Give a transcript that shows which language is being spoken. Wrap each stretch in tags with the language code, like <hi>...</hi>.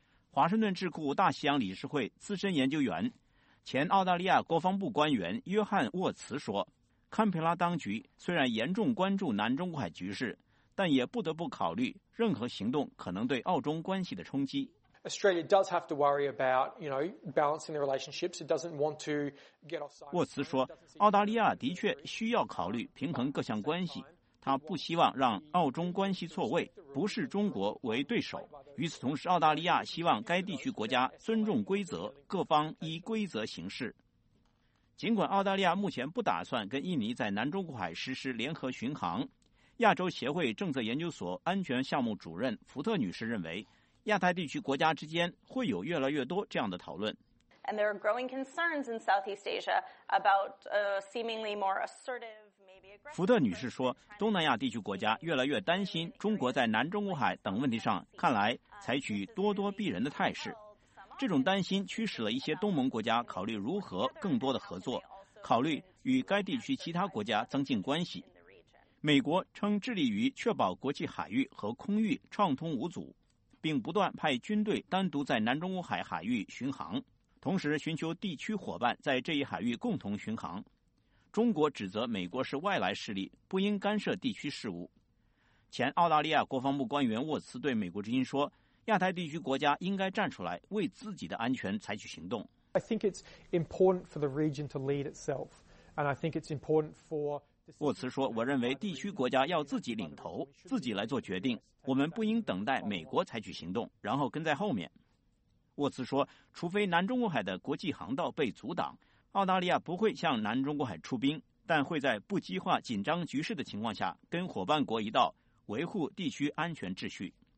<zh>华盛顿智库大西洋理事会资深研究员、前澳大利亚国防部官员约翰·沃茨说，堪培拉当局虽然严重关注南中国海局势，但也不得不考虑任何行动可能对澳中关系的冲击。</zh> <en>Australia does have to worry about, you know, balancing the relationships. It doesn't want to get offside.</en> <zh>沃茨说，澳大利亚的确需要考虑平衡各项关系，他不希望让澳中关系错位，不视中国为对手。与此同时，澳大利亚希望该地区国家尊重规则，各方依规则行事。尽管澳大利亚目前不打算跟印尼在南中国海实施联合巡航，亚洲协会政策研究所安全项目主任福特女士认为，亚太地区国家之间会有越来越多这样的讨论。</zh> <en>And there are growing concerns in Southeast Asia about a seemingly more assertive, maybe aggressive.</en> <zh>福特女士说，东南亚地区国家越来越担心中国在南中国海等问题上看来采取咄咄逼人的态势。这种担心驱使了一些东盟国家考虑如何更多的合作，考虑与该地区其他国家增进关系。美国称致力于确保国际海域和空域畅通无阻，并不断派军队单独在南中国海海域巡航，同时寻求地区伙伴在这一海域共同巡航。中国指责美国是外来势力，不应干涉地区事务。前澳大利亚国防部官员沃茨对美国之音说，亚太地区国家应该站出来为自己的安全采取行动。</zh> <en>I think it's important for the region to lead itself, and I think it's important for</en> <zh>沃茨说，我认为地区国家要自己领头，自己来做决定，我们不应等待美国采取行动然后跟在后面。沃茨说，除非南中国海的国际航道被阻挡，澳大利亚不会向南中国海出兵，但会在不激化紧张局势的情况下跟伙伴国一道维护地区安全秩序。</zh>